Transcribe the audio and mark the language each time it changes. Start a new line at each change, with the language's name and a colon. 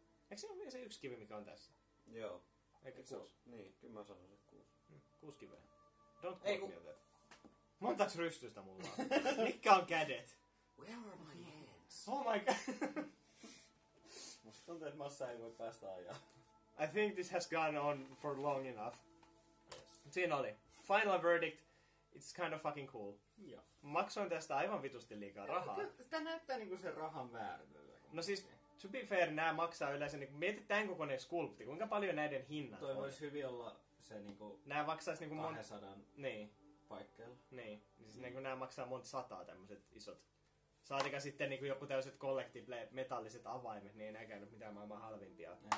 Finnish: Eikö se ole vielä se yksi kivi, mikä on tässä? Joo. Eikö 6? Niin, kyllä mä sanoisin, että 6. 6 kiveä.
English: Don't quote me on that.
Finnish: Montaks rystystä mulla on? Mikä on kädet?
English: Where are my hands? Oh my god!
Finnish: Musta tuntuu, että massa ei voi päästä ajaa.
English: I think this has gone on for long enough. Yes.
Finnish: Siinä oli.
English: Final verdict. It's kind of fucking cool.
Finnish: Joo. Maksoin tästä aivan vitusti liikaa rahaa. Tämä näyttää niinku sen rahan väärin. No siis,
English: to be fair,
Finnish: nämä maksaa yleensä, niinku, mietit tämän kokoinen skulpti, kuinka paljon näiden hinnat toi on? Toi voisi hyvin olla se niinku, nää maksais, niinku 200 niin. Paikkeilla. Niin, siis niinku, nämä maksaa monta sataa tämmöiset isot. Saatika sitten niinku, joku tämmöiset collectible metalliset avaimet, niin ei näkää nyt mitään maailman halvimpia.